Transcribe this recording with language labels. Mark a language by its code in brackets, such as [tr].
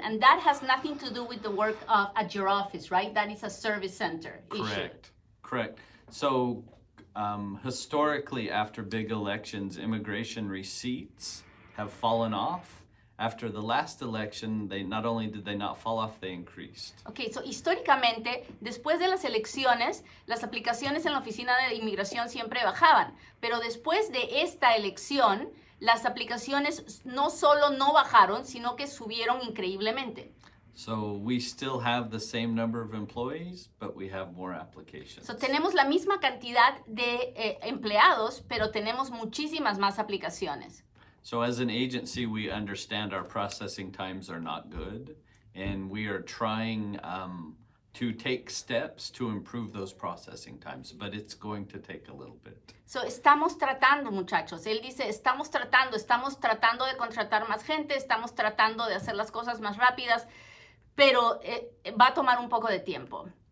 [en] And that has nothing to do with the work of at your office, right? That is a service center issue. Correct. So historically, after big elections, immigration receipts have fallen off. After the last election, not only did they not fall off, they increased. [es] Okay, so históricamente, después de las elecciones, las aplicaciones en la oficina de inmigración siempre bajaban. Pero después de esta elección, las aplicaciones no solo no bajaron, sino que subieron increíblemente. [en] So we still have the same number of employees, but we have more applications. [es] So tenemos la misma cantidad de empleados, pero tenemos muchísimas más aplicaciones. [en] So as an agency, we understand our processing times are not good, and we are trying to take steps to improve those processing times, but it's going to take a little bit. [es] So estamos tratando, muchachos. Él dice, estamos tratando de contratar más gente, estamos tratando de hacer las cosas más rápidas, pero va a tomar un poco de tiempo.